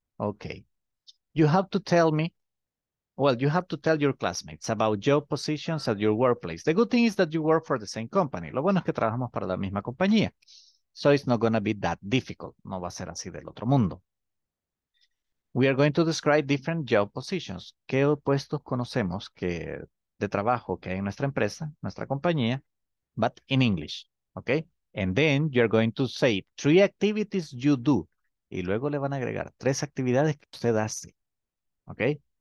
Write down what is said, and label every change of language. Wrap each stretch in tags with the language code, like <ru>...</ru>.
<en>Okay, you have to tell me, well, you have to tell your classmates about job positions at your workplace. The good thing is that you work for the same company.</en> <es>Lo bueno es que trabajamos para la misma compañía.</es> <en>So it's not gonna be that difficult.</en> <es>No va a ser así del otro mundo.</es> <en>We are going to describe different job positions.</en> <es>¿Qué puestos conocemos que de trabajo que hay en nuestra empresa, nuestra compañía,</es> <en>but in English, okay? And then you're going to say three activities you do.</en> <es>Y luego le van a agregar tres actividades que usted hace, okay?</es>